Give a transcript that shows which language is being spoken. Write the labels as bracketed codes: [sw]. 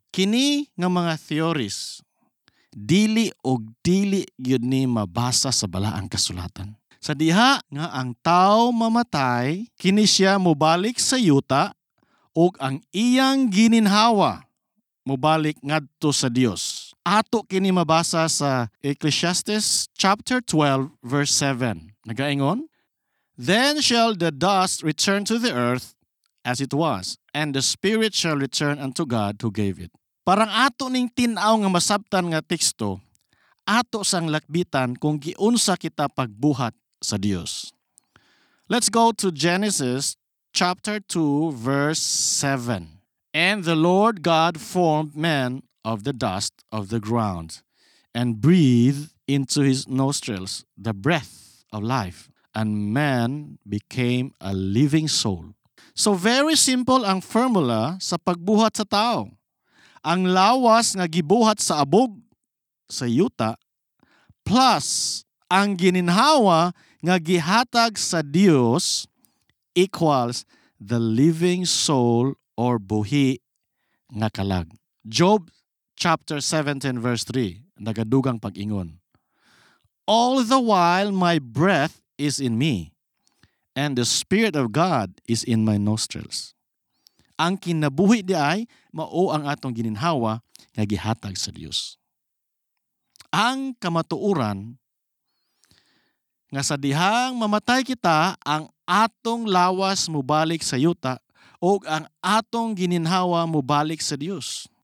[ceb] Kini nga mga theories dili og dili gyud ni mabasa sa balaang kasulatan. Sa diha nga ang tao mamatay, kini siya mubalik sa yuta o ang iyang gininhawa mubalik ngadto sa Dios. Ato kini mabasa sa Ecclesiastes chapter 12 verse 7. [en] Nagaingon, then shall the dust return to the earth as it was, and the spirit shall return unto God who gave it. [ceb] Parang ato ning tinaw nga masabtan nga teksto, ato sang lakbitan kung giunsa kita pagbuhat sa Dios. [en] Let's go to Genesis chapter 2 verse 7. And the Lord God formed man of the dust of the ground and breathed into his nostrils the breath of life, and man became a living soul. So very simple [ceb] ang formula sa pagbuhat sa tao. Ang lawas nga gibuhat sa abog, sa yuta, plus ang gininhawa nga gihatag sa Dios [en] equals the living soul [ceb] or buhi nga kalag. Job chapter 17 verse 3, nagadugang pag-ingon. [en] All the while my breath is in me, and the Spirit of God is in my nostrils. [ceb] Ang kinabuhi di ay mao ang atong gininhawa nga gihatag sa Dios. Ang kamatuoran nga sa dihang mamatay kita, ang atong lawas mubalik sa yuta o ang atong gininhawa mubalik sa Dios.